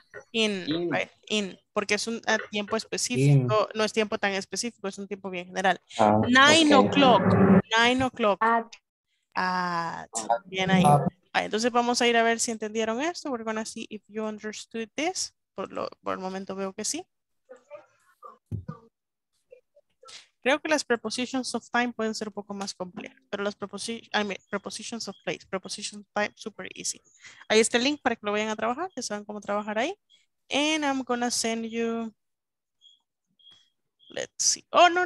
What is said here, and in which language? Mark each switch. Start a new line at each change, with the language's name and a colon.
English: In.
Spanish: Porque es un tiempo específico. In. No es tiempo tan específico, es un tiempo bien general.
English: Nine o'clock. At.
Spanish: Bien ahí. Entonces vamos a ir a ver si entendieron esto.
English: We're going to see if you understood this.
Spanish: Por el momento veo que sí. Creo que las
English: prepositions of time
Spanish: pueden ser un poco más complejas. Pero las
English: prepositions of place, prepositions of time, super easy.
Spanish: Ahí está el link para que lo vayan a trabajar. Que saben cómo trabajar ahí.
English: And I'm going to send you... Let's see. Oh, no.